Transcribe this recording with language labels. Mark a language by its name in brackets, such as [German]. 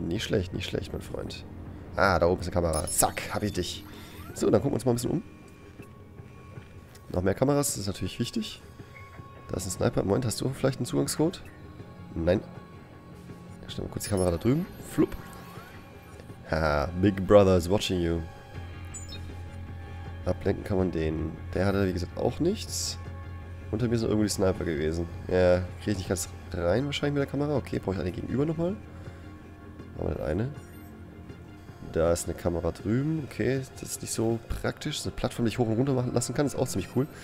[German] Nicht schlecht, nicht schlecht, mein Freund. Ah, da oben ist eine Kamera. Zack, hab ich dich. So, dann gucken wir uns mal ein bisschen um. Noch mehr Kameras, das ist natürlich wichtig. Da ist ein Sniper. Moment, hast du vielleicht einen Zugangscode? Nein. Stell mal kurz die Kamera da drüben. Flup. [English] Ha, Big Brother is watching you. [German] Ablenken kann man den. Der hatte, wie gesagt, auch nichts. Unter mir sind irgendwo die Sniper gewesen. Ja, kriege ich nicht ganz rein wahrscheinlich mit der Kamera. Okay, brauche ich eine gegenüber nochmal. Machen wir eine. Da ist eine Kamera drüben. Okay, das ist nicht so praktisch. Das ist eine Plattform, die ich hoch und runter machen lassen kann. Das ist auch ziemlich cool.